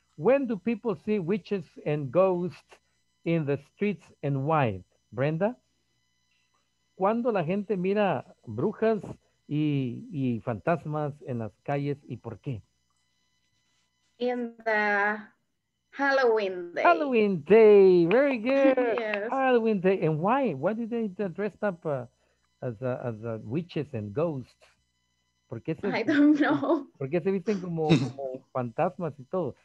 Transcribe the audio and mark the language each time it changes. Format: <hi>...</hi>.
<en>When do people see witches and ghosts in the streets and why? Brenda?</en> <es>¿Cuándo la gente mira brujas y fantasmas en las calles y por qué?</es> <en>In the Halloween Day. Halloween Day. Very good. Yes. Halloween Day. And why? Why do they dress up as witches and ghosts?</en> <es>¿Por qué se,</es> <en>I don't know.</en> <es>¿Por qué se visten como fantasmas y todo?</es>